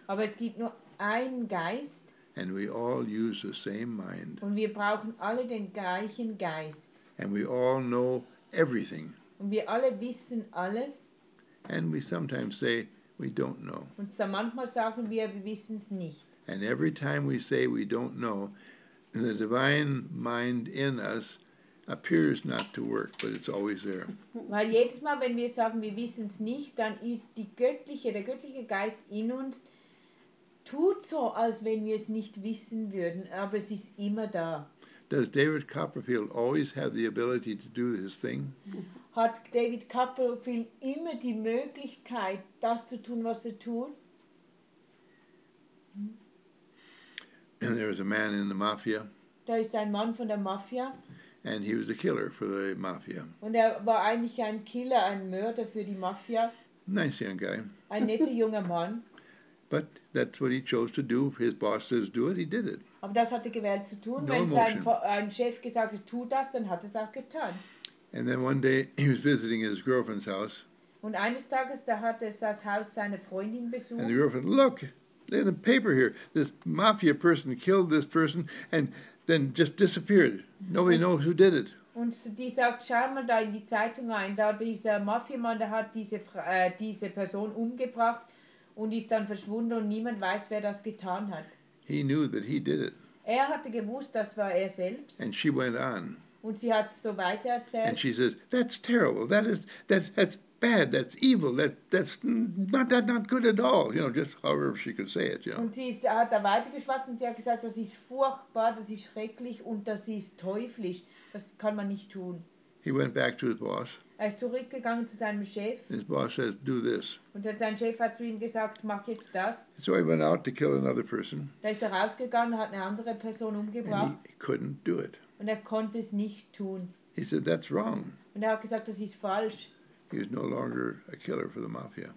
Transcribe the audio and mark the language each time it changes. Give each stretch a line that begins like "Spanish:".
German: Aber es gibt nur einen Geist.
English: And we all use the same mind.
German: Und wir brauchen alle den gleichen Geist.
English: And we all know everything.
German: Und wir alle wissen alles.
English: And we sometimes say we don't know.
German: Und so manchmal sagen wir, wir wissen es nicht.
English: And every time we say we don't know, the divine mind in us appears not to work, but it's always there.
German: Weil jedes Mal, wenn wir sagen, wir wissen es nicht, dann ist der göttliche Geist in uns tut so, als wenn wir es nicht wissen würden, aber es ist immer da.
English: Does David Copperfield always have the ability to do his thing?
German: Hat David Copperfield immer die Möglichkeit, das zu tun, was tut?
English: And there was a man in the mafia.
German: Da ist ein Mann von der Mafia.
English: And he was a killer for the mafia.
German: Und war eigentlich ein Killer, ein Mörder für die Mafia.
English: Nice young guy.
German: Ein netter junger Mann.
English: But that's what he chose to do. His boss says do it, he did it.
German: Aber das hat er gewählt zu tun.
English: No
German: Wenn
English: emotion.
German: Sein Chef gesagt hat, tu das, dann hat er es auch getan.
English: And then one day he was visiting his girlfriend's house.
German: Und eines Tages, da hat er das Haus seiner Freundin besucht.
English: And the girlfriend, look, in the paper here, this mafia person killed this person and then just disappeared. Nobody knows who did it.
German: Und die sagt, schau mal da in die Zeitung rein, da dieser Mafiamann, der hat diese Person umgebracht und ist dann verschwunden und niemand weiß, wer das getan hat.
English: He knew that he did it.
German: Er hatte gewusst, das war er selbst.
English: And she went on.
German: Und sie hat so weiter erzählt.
English: And she says, that's terrible, that's bad, that's evil, that's not good at all, you know, just however she could say it, you know.
German: Und sie hat da weitergeschwatzt und sie hat gesagt, das ist furchtbar, das ist schrecklich und das ist teuflisch. Das kann man nicht tun.
English: He went back to his boss.
German: Er ist zurückgegangen zu seinem Chef.
English: His boss says, do this.
German: Und sein Chef hat zu ihm gesagt, mach jetzt das.
English: So he went out to kill another person.
German: Da ist er rausgegangen und hat eine andere Person umgebracht.
English: And he couldn't do it.
German: Und er konnte es nicht tun.
English: He said, that's wrong.
German: Und er hat gesagt, das ist falsch.
English: He was no longer a killer for the mafia.